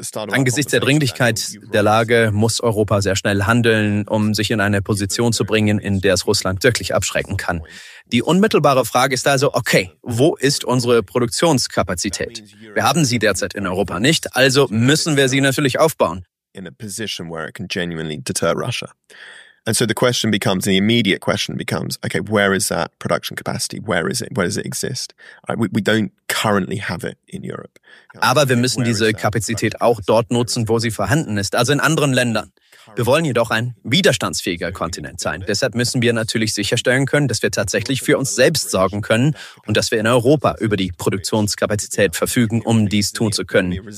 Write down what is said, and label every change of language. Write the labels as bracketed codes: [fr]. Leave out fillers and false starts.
[de] Angesichts der Dringlichkeit der Lage muss Europa sehr schnell handeln, um sich in eine Position zu bringen, in der es Russland wirklich abschrecken kann. Die unmittelbare Frage ist also, okay, wo ist unsere Produktionskapazität? Wir haben sie derzeit in Europa nicht, also müssen wir sie natürlich aufbauen. [en] In a position where it can genuinely deter Russia. And so the question becomes, the immediate question becomes, okay, where is that production capacity? Where is it? Where does it exist? We don't currently have it in Europe. [de] Aber wir müssen diese Kapazität auch dort nutzen, wo sie vorhanden ist, also in anderen Ländern. Wir wollen jedoch ein widerstandsfähiger Kontinent sein. Deshalb müssen wir natürlich sicherstellen können, dass wir tatsächlich für uns selbst sorgen können und dass wir in Europa über die Produktionskapazität verfügen, um dies tun zu können.